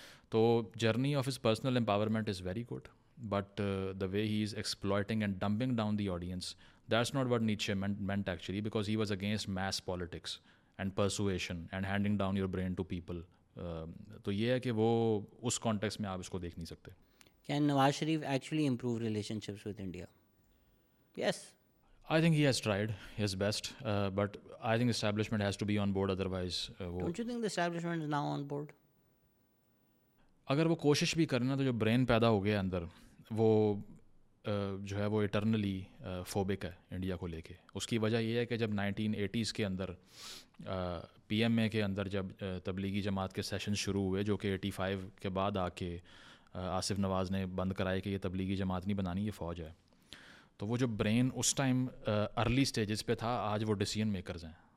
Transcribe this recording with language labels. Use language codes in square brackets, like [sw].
[en] تو journey of his personal empowerment is very good, but the way he is exploiting and dumping down the audience, that's not what Nietzsche meant actually, because he was against mass politics and persuasion and handing down your brain to people. [ur] تو یہ ہے کہ وہ اس context میں آپ اس کو دیکھ نہیں سکتے. [en] Can Nawaz Sharif actually improve relationships with India? Yes. I think he has tried his best, but I think establishment has to be on board, otherwise... Don't you think the establishment is now on board? [ur] اگر وہ کوشش بھی کرنا تو جو brain پیدا ہو گیا اندر وہ جو ہے وہ اٹرنلی فوبک ہے انڈیا کو لے کے. اس کی وجہ یہ ہے کہ جب 1980s کے اندر پی ایم اے کے اندر جب تبلیغی جماعت کے سیشن شروع ہوئے, جو کہ 85 کے بعد آ کے آصف نواز نے بند کرائے کہ یہ تبلیغی جماعت نہیں بنانی, یہ فوج ہے, تو وہ جو برین اس ٹائم ارلی سٹیجز پہ تھا, آج وہ ڈیسیژن میکرز ہیں.